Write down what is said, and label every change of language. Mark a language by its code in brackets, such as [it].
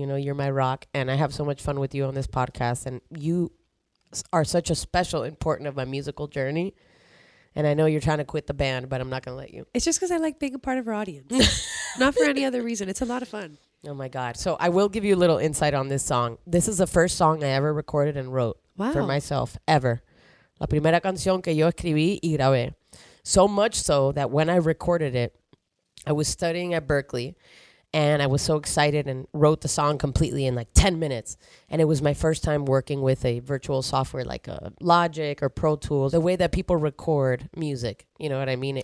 [en] You know, you're my rock, and I have so much fun with you on this podcast, and you are such a special important of my musical journey, and I know you're trying to quit the band, but I'm not going to let you. It's just because I like being a part of our audience. Not for any other reason. It's a lot of fun. Oh my God. So I will give you a little insight on this song. This is the first song I ever recorded and wrote for myself, ever. [es] La primera canción que yo escribí y grabé. [en] So much so that when I recorded it, I was studying at Berkeley And I was so excited and wrote the song completely in like 10 minutes. And it was my first time working with a virtual software like a Logic or Pro Tools, the way that people record music, you know what I mean?